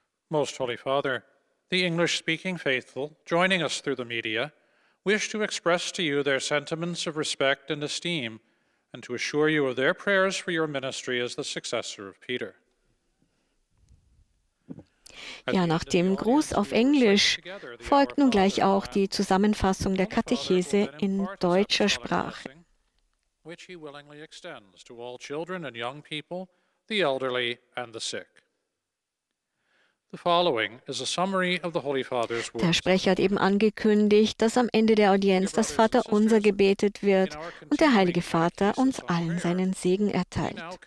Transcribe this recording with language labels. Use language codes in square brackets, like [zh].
[en] Most Holy Father, the English-speaking faithful, joining us through the media, wish to express to you their sentiments of respect and esteem, and to assure you of their prayers for your ministry as the successor of Peter. [de] Ja, nach dem Gruß auf Englisch folgt nun gleich auch die Zusammenfassung der Katechese in deutscher Sprache. [en] Which he willingly extends to all children and young people, the elderly and the sick. [de] Der Sprecher hat eben angekündigt, dass am Ende der Audienz das Vaterunser gebetet wird und der Heilige Vater uns allen seinen Segen erteilt.